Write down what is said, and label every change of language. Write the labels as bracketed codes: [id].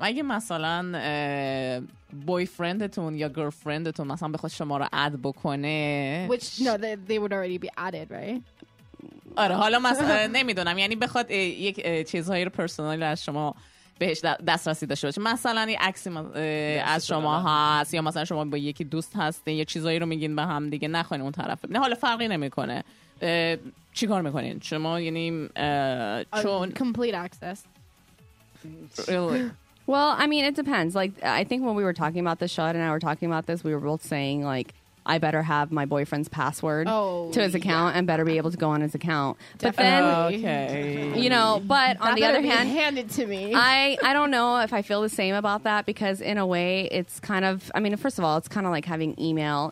[fa] اگه مثلا بویفرندتون یا گرلفرندتون مثلا بخواد شما رو اد بکنه. [en] Which, no, they would already be added, right? [fa] آره حالا مثلا نمیدونم یعنی بخواد یک چیزهایی رو پرسونال از شما بهش دسترسی داشته باشه، مثلا این عکس از شما هست یا مثلا شما با یکی دوست هستین یا چیزهایی رو میگین به هم دیگه، نخواین اون طرف نه، حالا فرقی نمیکنه، چی کار میکنین شما؟ یعنی چون [en] complete access really. Well, I mean, it depends. Like, I think when we were talking about this, Shad and I were talking about this, we were both saying like, I better have my boyfriend's password to his account and better be able to go on his account. Definitely. But then, okay. You know, but that on the other hand, handed to me. I don't know if I feel the same about that because in a way it's kind of, I mean, first of all, it's kind of like having email.